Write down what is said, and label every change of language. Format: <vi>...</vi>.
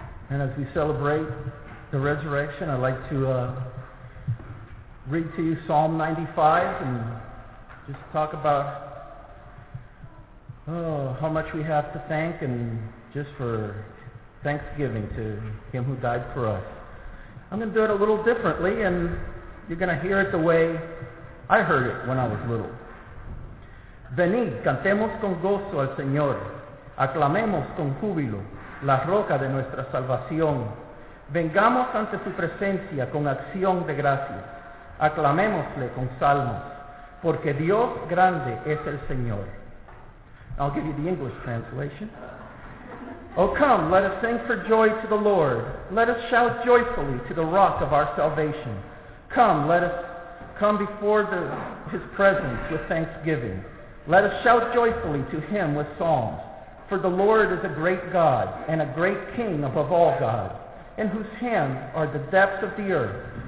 <en>And as we celebrate the resurrection, I'd like to read to you Psalm 95 and just talk about how much we have to thank, and just for thanksgiving to Him who died for us. I'm going to do it a little differently, and you're going to hear it the way I heard it when I was little.</en> <es>Venid, cantemos con gozo al Señor. Aclamemos con júbilo la roca de nuestra salvación. Vengamos ante su presencia con acción de gracias. Aclamémosle con salmos, porque Dios grande es el Señor.</es> <en>I'll give you the English translation. Oh, come, let us sing for joy to the Lord. Let us shout joyfully to the rock of our salvation. Come, let us come before his presence with thanksgiving. Let us shout joyfully to him with psalms. For the Lord is a great God, and a great King above all gods, in whose hands are the depths of the earth.</en>